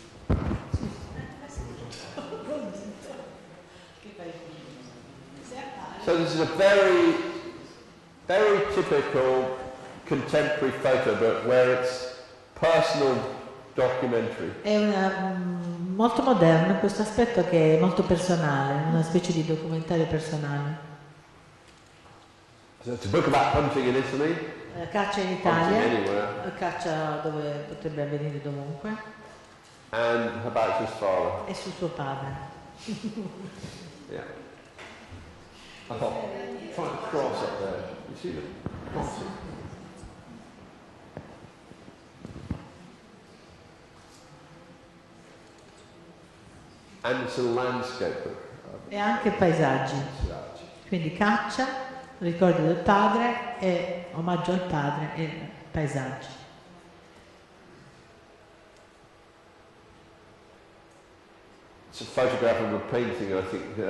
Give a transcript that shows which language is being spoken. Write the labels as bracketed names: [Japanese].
[Italian] Che bello. Se appare. [English] So this is a very, very typical contemporary photo book where it's personal documentary. [Italian] È una, molto moderno questo aspetto che è molto personale, una specie di documentario personale. [English] So it's a book about hunting in Italy. [Italian] Caccia in Italia, caccia dove potrebbe avvenire dovunque. [English] And about his father. [Italian] E su suo padre. [English] Yeah. I thought, try and cross up there. You see the cross? And it's a landscape. [Italian] E anche paesaggi. Quindi caccia, ricordi del padre e omaggio al padre e paesaggi. [English] It's a photograph of a painting, I think.